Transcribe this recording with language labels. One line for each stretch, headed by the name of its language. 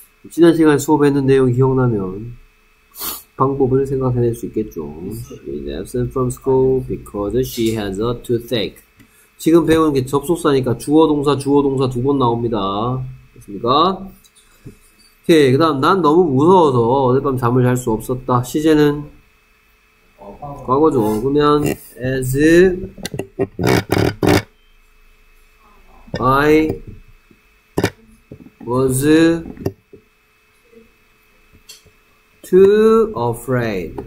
Korean: 지난 시간 수업했는 내용 기억나면 방법을 생각해낼 수 있겠죠.
English: She is absent from school because she has a toothache.
Korean: 지금 배우는 게 접속사니까 주어 동사 두 번 나옵니다. 됐습니까? 오케이. 그 다음, 난 너무 무서워서 어젯밤 잠을 잘 수 없었다. 시제는? 과거죠. 그러면,
English: as I was too afraid.